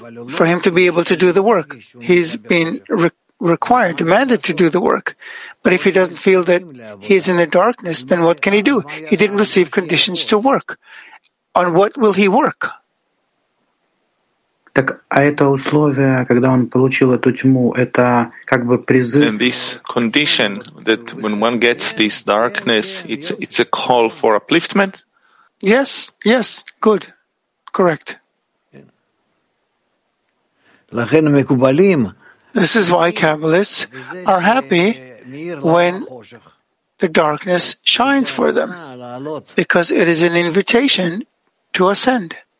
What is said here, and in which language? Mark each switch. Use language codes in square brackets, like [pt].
[en] For him to be able to do the work, he's been required, demanded to do the work. But if he doesn't feel that he is in the darkness, then what can he do? He didn't receive conditions to work. On what will he work? [ru] Так, а это условие, когда он получил эту тьму, это как бы призыв. [en] And this condition that when one gets this darkness, it's a call for upliftment? Yes, yes, good, correct. [he] לכן מקובלים. [en] This is why Kabbalists are happy when the darkness shines for them, because it is an invitation to ascend.